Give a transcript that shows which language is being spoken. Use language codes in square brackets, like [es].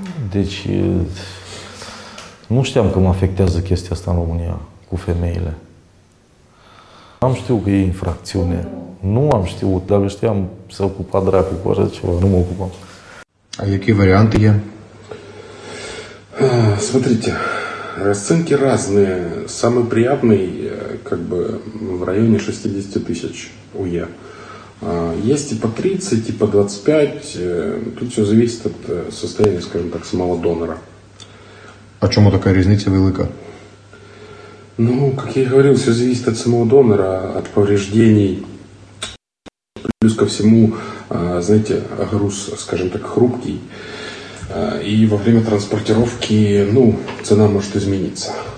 [ro] Deci, nu știam că mă afectează chestia asta în România, cu femeile. N-am știut că e infracțiune. Nu am știut, dar știam să ocupa dracu cu așa ceva, nu mă ocupam. [uk] Які варіанти є? Смотрите, розцінки різні. Самий приємний, как бы, в районі 60 тисяч УЄ. Є і по 30, і по 25. Тут все залежить від состояння, скажімо так, самого донора. А чому така різниця велика? [ru] Ну, как я и говорил, все зависит от самого донора, от повреждений. Плюс ко всему, знаете, груз, скажем так, хрупкий. И во время транспортировки, ну, цена может измениться.